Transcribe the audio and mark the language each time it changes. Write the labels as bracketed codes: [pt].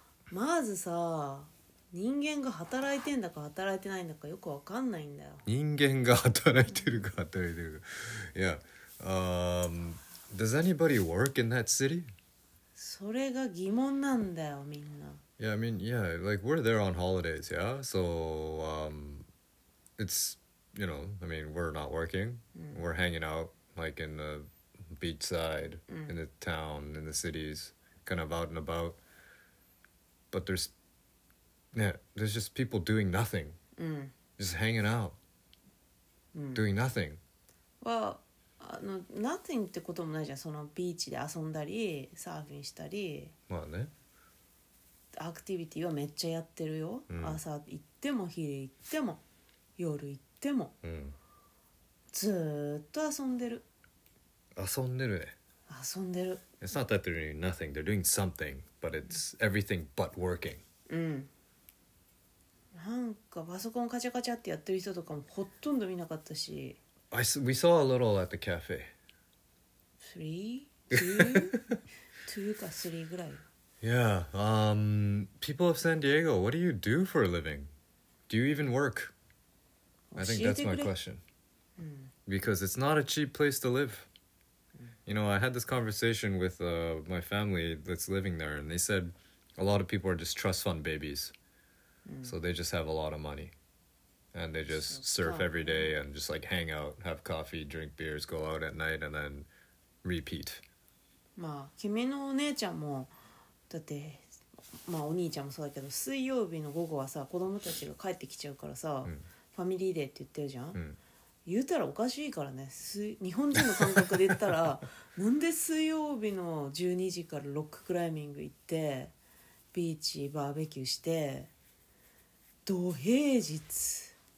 [ja] まずさ、人間が働いてんだか働いてないんだかよくわかんないんだよ。人間が働いてるか働いてるか。 [en] いや、does anybody work in that city? [ja] それが疑問なんだよみんな。 [en] Yeah, I mean, yeah, like we're there on holidays, yeah? So, it's, you know, I mean, we're not working.、We're hanging out, like, in the beachside,、in the town, in the cities, kind of out and about. But there's, yeah, there's just people doing nothing.、Just hanging out.、Doing nothing. Well... nothing [ja] ってこともないじゃん。そのビーチで遊んだりサーフィンしたり、まあね、アクティビティはめっちゃやってるよ、朝行っても昼行っても。夜行っても、うん、ずっと遊んでる。遊んでるね。遊んでる。 [en] It's not that they're doing nothing. They're doing something, but it's everything but working. [ja] うん。なんかパソコンカチャカチャってやってる人とかもほとんど見なかったし。 [en] We saw a little at the cafe. Two or three [ja] ぐらい。 [en] Yeah. People of San Diego, what do you do for a living? Do you even work? I think that's my question. Because it's not a cheap place to live. You know, I had this conversation with my family that's living there, and they said a lot of people are just trust fund babies. So they just have a lot of money. And they just surf every day and just like hang out, have coffee, drink beers, go out at night, and then repeat. [ja] まあ、君のお姉ちゃんも、だって、まあお兄ちゃんもそうだけど、水曜日の午後はさ、子供たちが帰ってきちゃうからさ、ファミリーデーって言ってるじゃん。言うたらおかしいからね。日本人の感覚で言ったらなんで水曜日の12時からロッククライミング行ってビーチバーベキューして土平日